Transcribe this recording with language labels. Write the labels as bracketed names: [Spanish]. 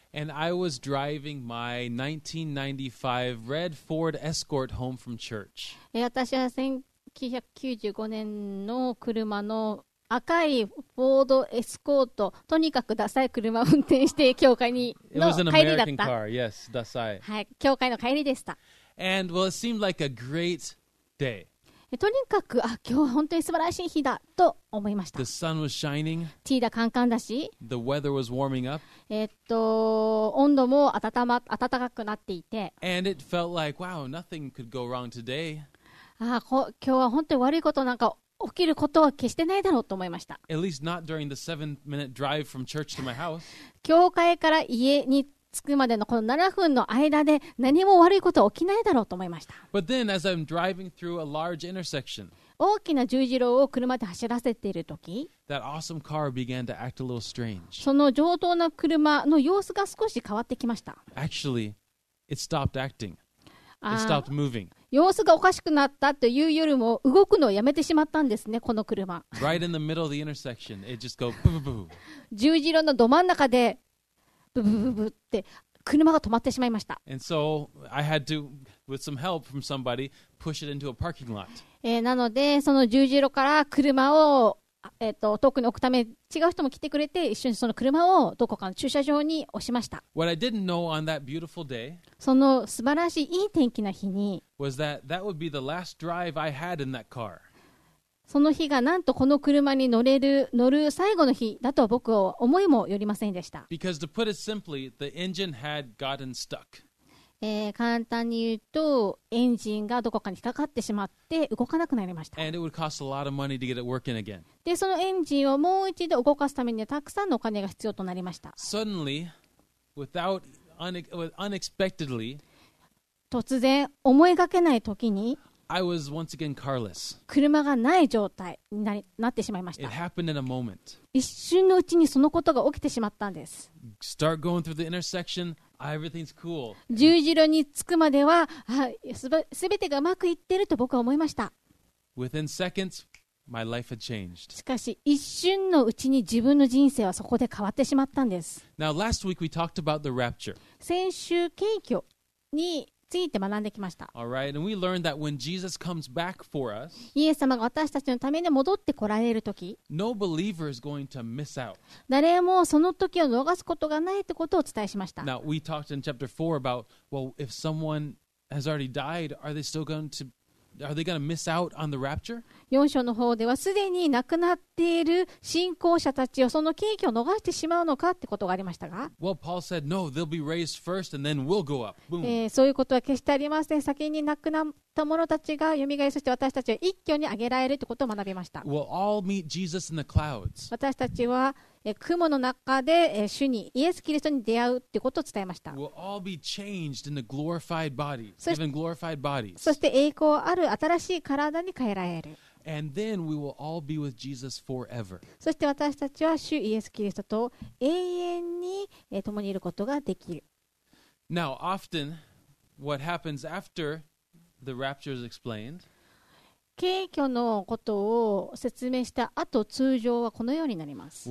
[English] And I was driving my 1995 red Ford Escort home from church. [Japanese] 私は 1995年の車の赤いフォードエスコート、とにかくダサい車を運転して教会にの帰りだった。 [English] It was an American car. Yes, [Japanese] ダサい。はい、教会の帰りでした。 [English] And well, it seemed like a great day. [Japanese] とにかく、あ、今日は本当に素晴らしい日だと思いました。 [English] The sun was shining. [Japanese] ティーダカンカンだし。 [English] The weather was warming up. [Japanese] 温度も暖かくなっていて。 [English] And it felt like, wow, nothing could go wrong today. [Japanese] あ、今日は本当に悪いことなんか起きることは決してないだろうと思いました。 [English] At least not during the 7-minute drive from church to my house. [Japanese] 教会から家に着くまでのこの7分の間で何も悪いことは起きないだろうと思いました。 [English] But then, as I'm driving through a large intersection, [Japanese] 大きな十字路を車で走らせている時、 [English] that awesome car began to act a little strange. [Japanese] その上等な車の様子が少し変わってきました。 [English] Actually, it stopped acting. It stopped moving. [Japanese] 様子がおかしくなったというよりも動くのをやめてしまったんですね、この車。 [English] Right in the middle of the intersection, it just goes boo boo boo. [Japanese] 十字路のど真ん中でブブブブって車が止まってしまいました。 [English] And so I had to, with some help from somebody, push it into a parking lot. [Japanese] なのでその十字路から車を遠くに置くため違う人も来てくれて一緒にその車をどこかの駐車場に押しました。 [English] What I didn't know on that beautiful day, [Japanese] その素晴らしいいい天気な日に [English] was that that would be the last drive I had in that car. [Japanese] その日がなんとこの車に乗る最後の日だとは僕は思いもよりませんでした。 [English] Because to put it simply, the engine had gotten stuck. [Japanese] 簡単に言うとエンジンがどこかに引っかかってしまって動かなくなりました。 [English] And it would cost a lot of money to get it working again. [Japanese] でそのエンジンをもう一度動かすためにたくさんのお金が必要となりました。 [English] Suddenly, unexpectedly, [Japanese] 突然思いがけない時に [English] I was once again carless. [Japanese] 車がない状態になってしまいました。 [English] It happened in a moment. [Japanese] 一瞬のうちにそのことが起きてしまったんです。 [English] Start going through the intersection, everything's cool. [Japanese] 十字路に着くまでは、全てがうまくいってると僕は思いました。 [English] Within seconds, my life had changed. [Japanese] しかし、一瞬のうちに自分の人生はそこで変わってしまったんです。 [English] Now, last week we talked about the rapture. [Japanese] 先週、謙虚に学んできました。 [English] All right. And we learned that when Jesus comes back for us, [Japanese] イエス様が私たちのために戻ってこられるとき、 [English] No believer is going to miss out. [Japanese] 誰もその時を逃すことがないってことをお伝えしました。 [English] Now, we talked in chapter 4 about, well, if someone has already died, are they going to miss out on the rapture? [Japanese] 4章の方ではすでに亡くなっている信仰者たちをその契機を逃してしまうのかってことがありましたが、 [English] Well, Paul said, no, they'll be raised first and then we'll go up. Boom. [Japanese] そういうことは決してありません。先に亡くなった者たちが蘇り、そして私たちは一挙に挙げられるってことを学びました。 [English] We'll all meet Jesus in the clouds. [Japanese] 私たちは雲の中で主にイエス・キリストに出会うということを伝えました。 [English] We'll all be changed in the glorified bodies, given glorified bodies. [Japanese] そして栄光ある新しい体に変えられる。 [English] And then we will all be with Jesus forever. [Japanese] そして私たちは主イエス・キリストと永遠に共にいることができる。 [English] Now, often, what happens after the rapture is explained? [Japanese] 景況のことを説明した後、通常はこのようになります。